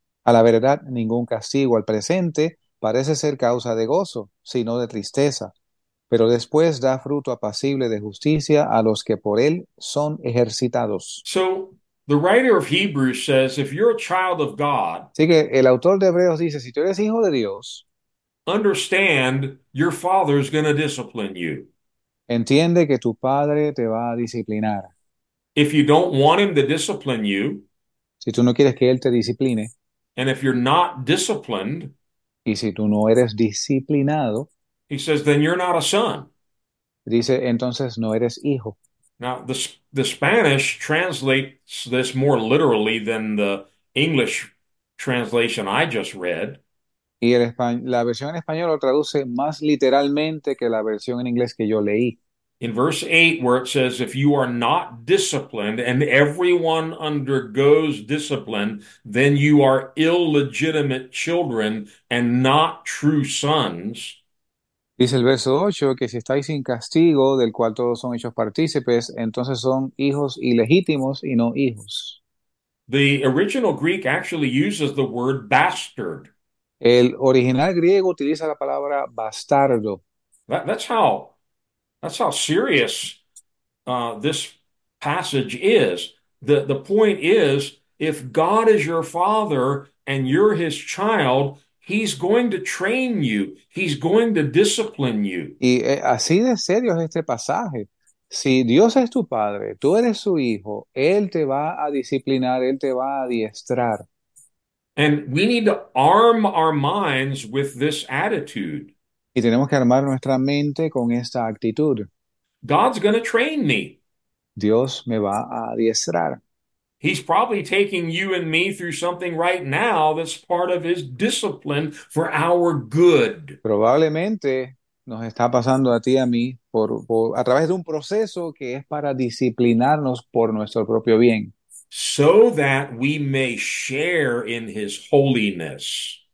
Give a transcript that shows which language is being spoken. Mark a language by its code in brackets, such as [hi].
[es] A la verdad, ningún castigo al presente parece ser causa de gozo, sino de tristeza, pero después da fruto apacible de justicia a los que por él son ejercitados. [en] So the writer of Hebrews says, if you're a child of God, [es] Así que el autor de Hebreos dice, si tú eres hijo de Dios, [en] understand your father is going to discipline you. [es] entiende que tu padre te va a disciplinar. [en] If you don't want him to discipline you, [es] Si tú no quieres que él te discipline, [en] and if you're not disciplined, [es] y si tú no eres disciplinado, [en] he says, then you're not a son. [es] dice, entonces no eres hijo. [en] Now, the Spanish translates this more literally than the English translation I just read. [es] Y el la versión en español lo traduce más literalmente que la versión en inglés que yo leí. [en] In verse 8, where it says, if you are not disciplined and everyone undergoes discipline, then you are illegitimate children and not true sons. [es] Dice el verso 8 que si estáis sin castigo, del cual todos son hechos partícipes, entonces son hijos ilegítimos y no hijos. [en] The original Greek actually uses the word bastard. [es] El original griego utiliza la palabra bastardo. [en] That's how serious this passage is. The point is, if God is your father and you're his child, he's going to train you. He's going to discipline you. [es] Y así de serio es este pasaje. Si Dios es tu padre, tú eres su hijo, Él te va a disciplinar, Él te va a adiestrar. [en] And we need to arm our minds with this attitude. [es] Y tenemos que armar nuestra mente con esta actitud. [en] God's going to train me. [es] Dios me va a adiestrar. [en] He's probably taking you and me through something right now that's part of his discipline for our good. [es] Probablemente nos está pasando a ti y a mí a través de un proceso que es para disciplinarnos por nuestro propio bien. [en] So that we may share in his holiness.